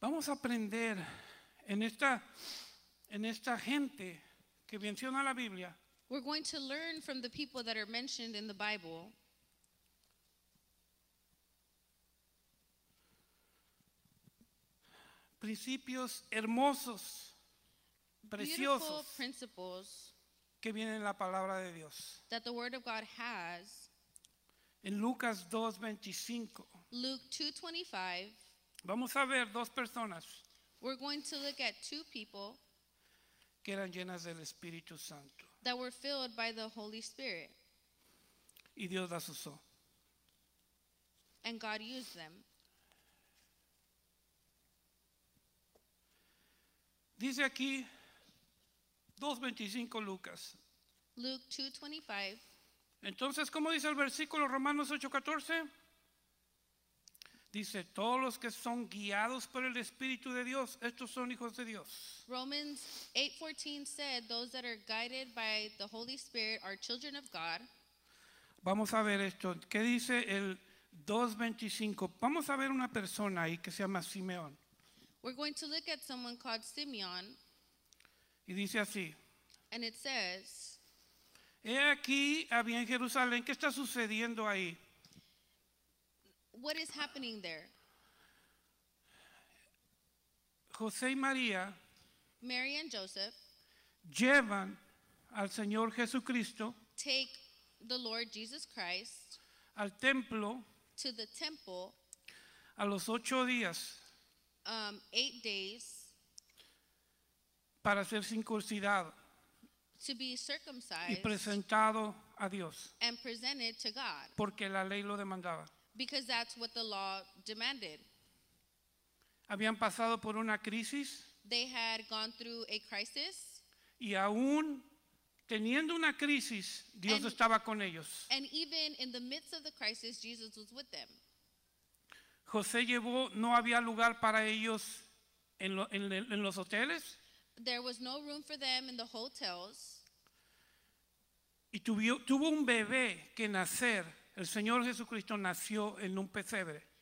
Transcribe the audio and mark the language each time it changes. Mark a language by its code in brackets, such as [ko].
[es] Vamos a aprender en esta gente que menciona la Biblia. [en] We're going to learn from the people that are mentioned in the Bible. [es] Principios hermosos, preciosos, [en] beautiful principles [es] que vienen en la palabra de Dios. [en] That the word of God has. [es] En Lucas 2:25. [en] Luke 2:25. [es] Vamos a ver dos personas. [en] We're going to look at two people [es] que eran llenas del Espíritu Santo. [en] That were filled by the Holy Spirit. [es] Y Dios las usó. [en] And God used them. [es] Dice aquí 2:25 Lucas. [en] Luke 2:25. [es] Entonces, ¿cómo dice el versículo Romanos 8:14? Dice, todos los que son guiados por el Espíritu de Dios, estos son hijos de Dios. [en] Romans 8:14 said, those that are guided by the Holy Spirit are children of God. [es] Vamos a ver esto. ¿Qué dice el 2:25? Vamos a ver una persona ahí que se llama Simeón. [en] We're going to look at someone called Simeon. [es] Y dice así. [en] And it says, [es] he aquí, había en Jerusalén. ¿Qué está sucediendo ahí? [en] What is happening there? [es] José y María. [en] Mary and Joseph. [es] Llevan al Señor Jesucristo. [en] Take the Lord Jesus Christ. [es] Al templo. [en] To the temple. [es] A los 8 días. [en] 8 days [es] para ser circuncidado, [en] to be circumcised [es] y presentado a Dios, [en] and presented to God, [es] porque la ley lo demandaba. [en] Because that's what the law demanded. [es] Habían pasado por una crisis. [en] They had gone through a crisis. [es] Y aún teniendo una crisis, Dios estaba con ellos. [en] And even in the midst of the crisis, Jesus was with them. [es] José llevó, no había lugar para ellos en los hoteles. [en] There was no room for them in the hotels. [es] Y tuvo un bebé que nacer. El Señor Jesucristo nació en un pesebre.